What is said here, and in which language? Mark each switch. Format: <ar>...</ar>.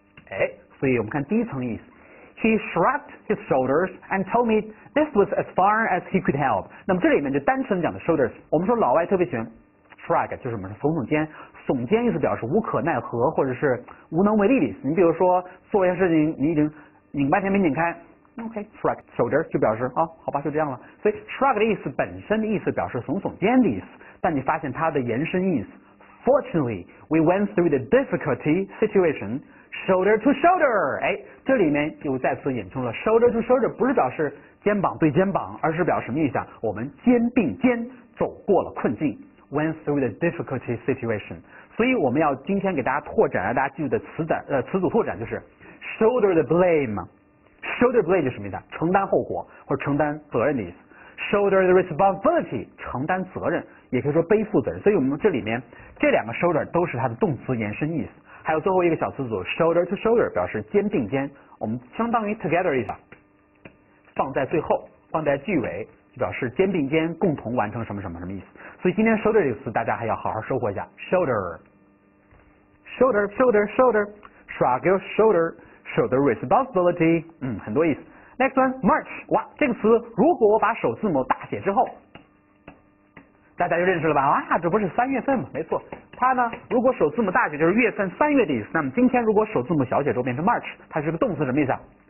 <zh>哎，所以我们看第一层意思，</zh> <en>He shrugged his shoulders and told me this was as far as he could help，</en> <zh>那么这里面就单纯讲的 shoulders， 我们说老外特别喜欢 shrug， 就是什么耸耸肩，耸肩意思表示无可奈何或者是无能为力的意思，你比如说做一件事情你已经拧半天没拧开，OK，</zh> <en>shrug shoulder</en> <zh>就表示啊、哦，好吧，就这样了。所以 shrug 的意思本身的意思表示耸耸肩的意思，但你发现它的延伸意思。</zh> <en>Fortunately, we went through the difficulty situation shoulder to shoulder。</en> <zh>哎，这里面又再次引出了</zh> <en>shoulder to shoulder，</en> <zh>不是表示肩膀对肩膀，而是表示什么意思啊？我们肩并肩走过了困境。</zh> <en>Went through the difficulty situation。</en> <zh>所以我们要今天给大家拓展，让大家记住的词的词组拓展就是</zh> <en>shoulder the blame。 Shoulder blame</en> <zh>是什么意思？承担后果或者承担责任的意思。</zh> <en>Shoulder the responsibility</en> <zh>承担责任，也可以说背负责任。所以我们这里面这两个 shoulder 都是它的动词延伸意思。还有最后一个小词组</zh> <en>shoulder to shoulder</en> <zh>表示肩并肩，我们相当于 together 意思，放在最后，放在句尾，就表示肩并肩共同完成什么什么什么意思。所以今天 shoulder 这个词大家还要好好收获一下。</zh> <en>Shoulder, shoulder, shoulder, shoulder, shrug your shoulder. Shoulder responsibility，</en> <zh>嗯，很多意思。</zh> <en>Next one，</en> <zh>march， 哇，这个词如果我把首字母大写之后，大家就认识了吧？哇，这不是三月份吗？没错，它呢，如果首字母大写就是月份三月的意思。那么今天如果首字母小写之后变成 march， 它是个动词，什么意思啊？</zh>